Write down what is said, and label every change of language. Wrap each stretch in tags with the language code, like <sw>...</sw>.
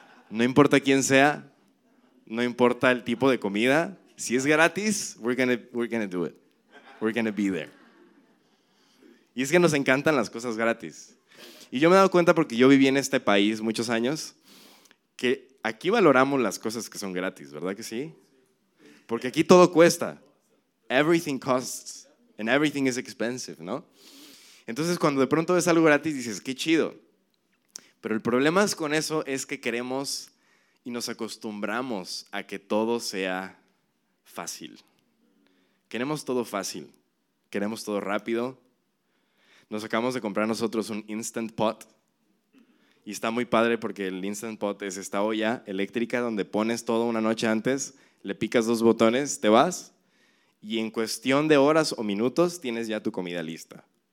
<es>No importa quién sea, no importa el tipo de comida, si es gratis,</es> <en>we're gonna do it. We're gonna be there.</en> <es>Y es que nos encantan las cosas gratis. Y yo me he dado cuenta, porque yo viví en este país muchos años, que aquí valoramos las cosas que son gratis, ¿verdad que sí? Porque aquí todo cuesta.</es> <en>Everything costs and everything is expensive, ¿no?</en> <es>Entonces, cuando de pronto ves algo gratis, dices, qué chido. Pero el problema es con eso es que queremos y nos acostumbramos a que todo sea fácil. Queremos todo fácil, queremos todo rápido. Nos acabamos de comprar nosotros un Instant Pot y está muy padre, porque el Instant Pot es esta olla eléctrica donde pones todo una noche antes, le picas dos botones, te vas y en cuestión de horas o minutos tienes ya tu comida lista.</es>